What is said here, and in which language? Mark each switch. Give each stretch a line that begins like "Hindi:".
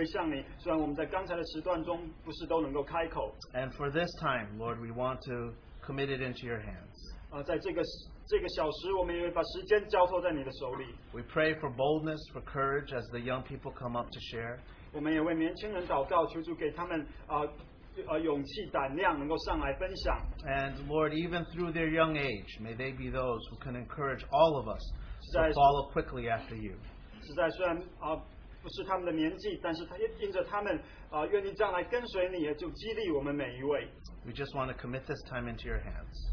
Chinese: 愿意我们继续在我们的生命中有赞美归向你，虽然我们在刚才的时段中不是都能够开口。
English: And for this time, Lord, we want to commit it into your hands.
Chinese: 在这个小时，我们也把时间交托在你的手里。
English: We pray for boldness, for courage as the young people come up to share.
Chinese: 我们也为年轻人祷告，求主给他们 勇气、胆量，能够上来分享。
English: And Lord, even through their young age, may they be those who can encourage all of us to follow quickly after you.
Chinese: 实在虽然 不是他们的年纪，但是他因着他们 愿意这样来跟随你，就激励我们每一位。
English: We just want to commit this time into your hands.